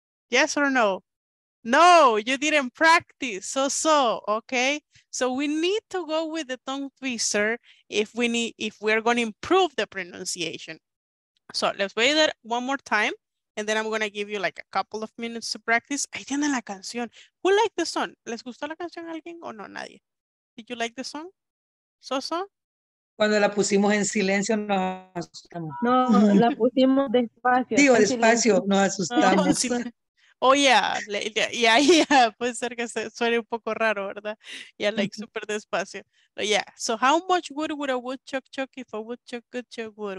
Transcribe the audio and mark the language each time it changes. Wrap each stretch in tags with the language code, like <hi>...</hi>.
<en>Yes or no? No, you didn't practice. So, okay. So we need to go with the tongue twister if we're going to improve the pronunciation. So let's play that one more time. And then I'm going to give you like a couple of minutes to practice.</en> <es>Ahí tiene la canción.</es> <en>Who liked the song?</en> <es>¿Les gustó la canción a alguien o no?</es> <en>Nadie. Did you like the song? So?</en> <es>Cuando la pusimos en silencio nos asustamos. No, la pusimos despacio. Digo, despacio, nos asustamos.</es> <en>Oh, yeah.</en> <es>Yeah, puede ser que suene un poco raro, ¿verdad?</es> <en>Yeah, like super</en> <es>despacio.</es> <en>But yeah, so how much wood would a woodchuck chuck if a woodchuck could chuck wood?</en>